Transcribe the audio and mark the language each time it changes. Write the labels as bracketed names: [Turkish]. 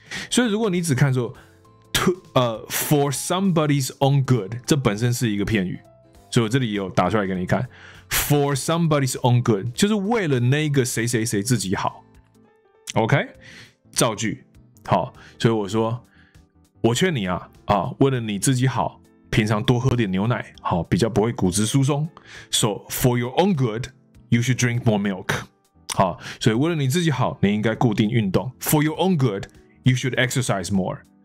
[Chinese] 所以如果你只看说 [English] for somebody's own good， [Chinese] 这本身是一个片语，所以我这里有打出来给你看 for somebody's own good， 就是为了那个谁谁谁自己好。 OK， 造句好，所以我说我劝你啊，为了你自己好，平常多喝点牛奶，好，比较不会骨质疏松。 [English] So for your own good, you should drink more milk. [Chinese] 好，所以为了你自己好，你应该固定运动。 [English] For your own good, you should exercise more.